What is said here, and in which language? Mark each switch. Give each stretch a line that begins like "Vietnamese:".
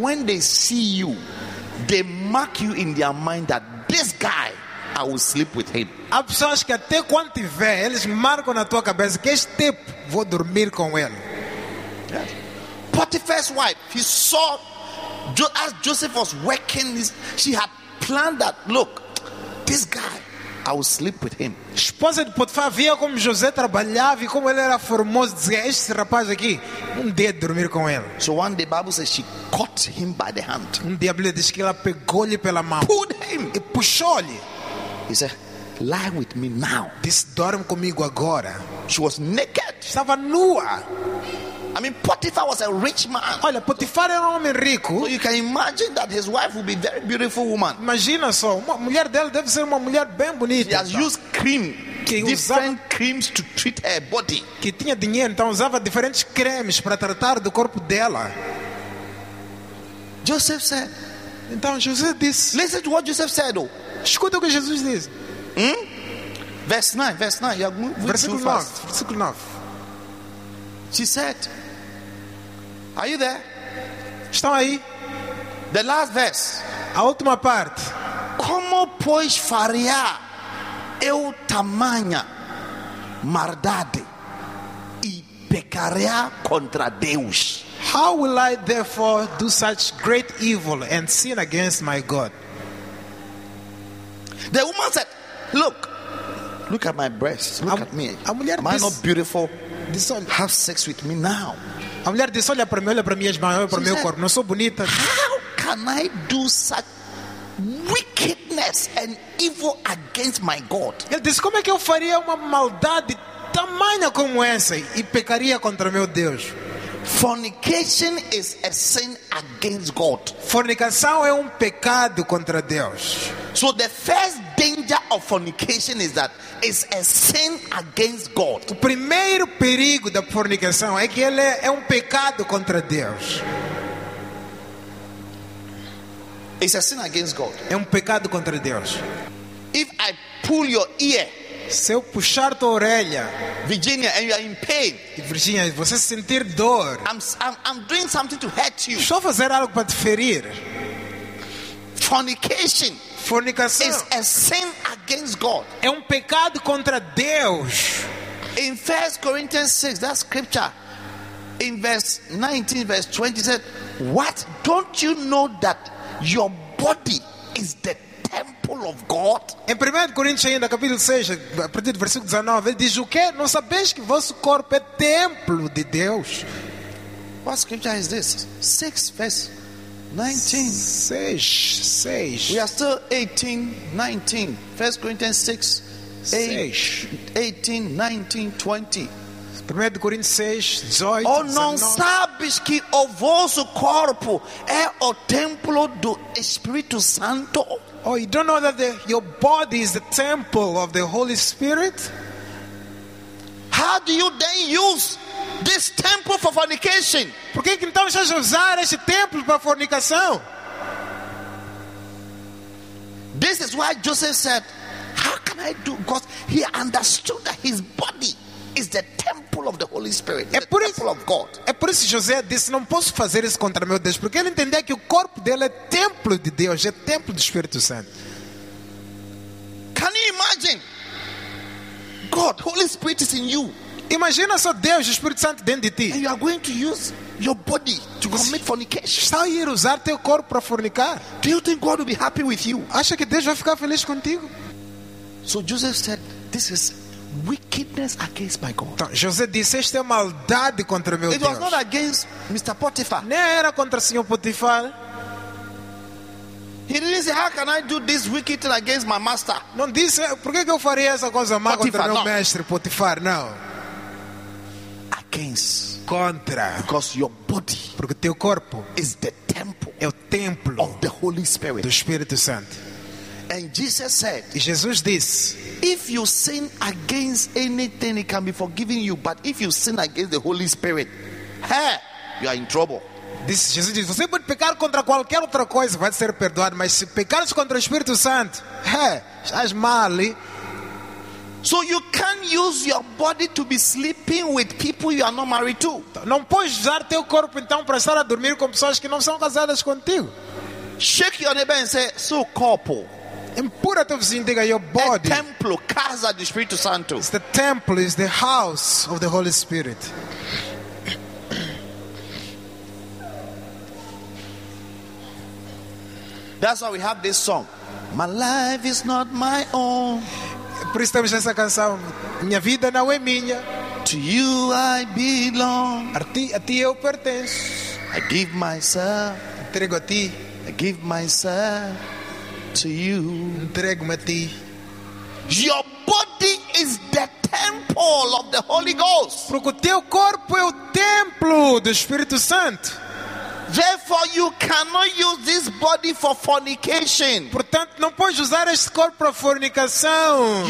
English: When they see you, they mark you in their mind that this guy, I will sleep with him.
Portuguese: Há pessoas que até quando te vê, eles marcam na tua cabeça que este tipo vou dormir com ele.
English: Yes. Potiphar's wife, he saw as Joseph was working, she had planned that. Look, this guy, I will sleep with him.
Portuguese: Esposa de Potifar via como José trabalhava e como ele era formoso, dizia, este rapaz aqui, dia dormir com ele.
English: So one day Bible says she caught him by the hand.
Portuguese: Dia Bíblia diz que ela pegou-lhe pela mão.
English: Pulled him.
Portuguese: E puxou-lhe.
English: He said, lie with me now.
Portuguese: Diz, dorme comigo agora.
English: She was naked.
Portuguese: Estava nua.
English: I mean, Potiphar was a rich man.
Portuguese: Olha, Potiphar era um homem rico.
English: So you can imagine that his wife would be a very beautiful woman.
Portuguese: Imagina só, uma mulher dela deve ser uma mulher bem bonita.
English: She has used cream, different creams to treat her body.
Portuguese: Que tinha dinheiro, então usava diferentes cremes para tratar do corpo dela.
English: Joseph said.
Portuguese: Então José disse.
English: Listen to what Joseph said, though.
Portuguese: Escuta o que Jesus diz.
English: Verse 9. You are moving too fast.
Portuguese: Versículo 9.
English: She said, are you there?
Portuguese: Estão aí?
English: The last verse.
Portuguese: A última parte. Como pois faria eu tamanha maldade e pecaria contra Deus?
English: How will I therefore do such great evil and sin against my God? The woman said, look. Look at my breasts. Look at me.
Portuguese: A mulher
English: am I not beautiful? Have sex with me now.
Portuguese: A mulher disse, olha para mim, olha para minhas mãos, olha para o meu corpo. Não sou bonita.
English: How can I do such wickedness and evil against my God?
Portuguese: Ele disse, como é que eu faria uma maldade tamanha como essa e pecaria contra meu Deus?
English: Fornication is a sin against God.
Portuguese: Fornicação é um pecado contra Deus.
English: So the first danger of fornication is that it's a sin against God.
Portuguese: O primeiro perigo da fornicação é que ele é um pecado contra Deus.
English: It's a sin against God.
Portuguese: É um pecado contra Deus.
English: If I pull your ear,
Portuguese: se eu puxar tua orelha,
English: Virginia, and you are in pain,
Portuguese: Virginia, você sentir dor,
English: I'm doing something to hurt you.
Portuguese: Estou a fazer algo para te ferir.
English: Fornication.
Portuguese: Fornicação.
English: Is a sin against God.
Portuguese: É um pecado contra Deus.
English: In 1 Corinthians 6, that scripture, in verse 19, verse 20, said, what? Don't you know that your body is the temple people of God?
Portuguese: Em 1 Coríntios ainda, capítulo 6, a partir do versículo 19, ele diz o quê? Não sabeis que vosso corpo é templo de Deus?
English: What scripture is this? 6 verse 19.
Portuguese: 6.
English: We are still 18, 19. 1 Coríntios 6. 18, 19, 20. 1 Coríntios 6, 18.
Portuguese: Ou não sabes que o vosso corpo é o templo do Espírito Santo?
English: Oh, you don't know that your body is the temple of the Holy Spirit? How do you then use this temple for fornication?
Portuguese: Por que então vocês usam este templo para fornicação?
English: This is why Joseph said, how can I do? Because he understood that his body is the temple of the Holy Spirit, the temple of God.
Portuguese: É por isso que José disse, não posso fazer isso contra meu Deus, porque ele entendia que o corpo dele é templo de Deus, é templo do Espírito Santo.
English: Can you imagine? God, Holy Spirit is in you.
Portuguese: Imagina só Deus, o Espírito Santo dentro de ti.
English: And you are going to use your body to commit fornication.
Portuguese: Está a ir usar teu corpo para fornicar?
English: Do you think God will be happy with you?
Portuguese: Acha que Deus vai ficar feliz contigo?
English: So Joseph said, this is wickedness against my God.
Portuguese: Então, José disse, isto é maldade contra meu Deus.
English: It was not against Mr. Potiphar.
Portuguese: Não era contra o Senhor Potifar.
English: He didn't say, how can I do this wicked thing against my master?
Portuguese: Não disse, por que eu faria essa coisa má contra meu mestre Potifar? Não.
English: Against.
Portuguese: Contra.
English: Because your body.
Portuguese: Porque teu corpo
English: is the temple.
Portuguese: É o templo
English: of the Holy Spirit.
Portuguese: Do Espírito Santo.
English: And Jesus said,
Portuguese: e Jesus disse,
English: if you sin against anything, it can be forgiven you. But if you sin against the Holy Spirit, hey, you are in trouble.
Portuguese: Disse, Jesus disse, você pode pecar contra qualquer outra coisa, vai ser perdoado. Mas se pecares contra o Espírito Santo, hey, estás mal.
English: So you can't use your body to be sleeping with people you are not married to.
Portuguese: Não podes usar teu corpo então para estar a dormir com pessoas que não são casadas contigo.
English: Shake your neighbor and say,
Portuguese: so corpo. Empura teu vizinho, diga,
English: your body.
Portuguese: É templo, casa do Espírito Santo.
English: It's the temple, is the house of the Holy Spirit. That's why we have this song. My life is not my own.
Portuguese: Por isso temos essa canção. Minha vida não é minha.
English: To you I belong.
Portuguese: A ti eu pertenço.
English: I give myself.
Portuguese: Entrego a ti.
English: I give myself. To you,
Portuguese: entrego-me a ti.
English: Your body is the temple of the Holy Ghost.
Portuguese: Porque o teu corpo é o templo do Espírito Santo.
English: Therefore, you cannot use this body for fornication.
Portuguese: Portanto, não podes usar este corpo para fornicação.